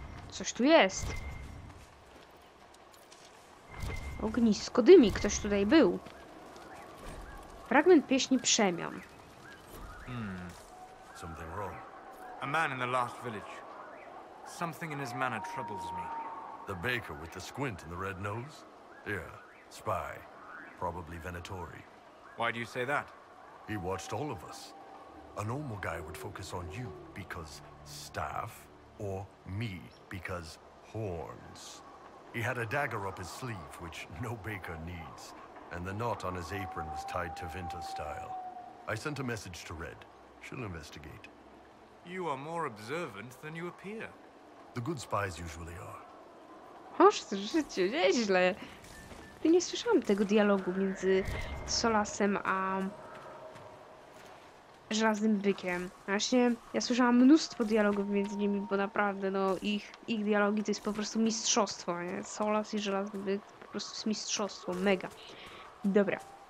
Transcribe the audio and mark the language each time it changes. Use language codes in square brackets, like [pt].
[pl] Coś tu jest. Ognisko dymi. Ktoś tutaj był. Fragment pieśni przemian. [en] Something wrong. A man in the last village. Something in his manner troubles me. The baker with the squint and the red nose? Yeah, spy. Probably Venatori. Why do you say that? He watched all of us. A normal guy would focus on you because staff. Or me, because horns. He had a dagger up his sleeve, which no baker needs. And the knot on his apron was tied to Vinter style. I sent a message to Red. She'll investigate. You are more observant than you appear. The good spies usually are. [pl] Oż to życie, nieźle. Ty nie słyszałam tego dialogu między Solasem a... Żelaznym bykiem. Właśnie ja słyszałam mnóstwo dialogów między nimi, bo naprawdę no ich dialogi to jest po prostu mistrzostwo, nie? Solas i Żelazny Byk to po prostu jest mistrzostwo, mega. Dobra.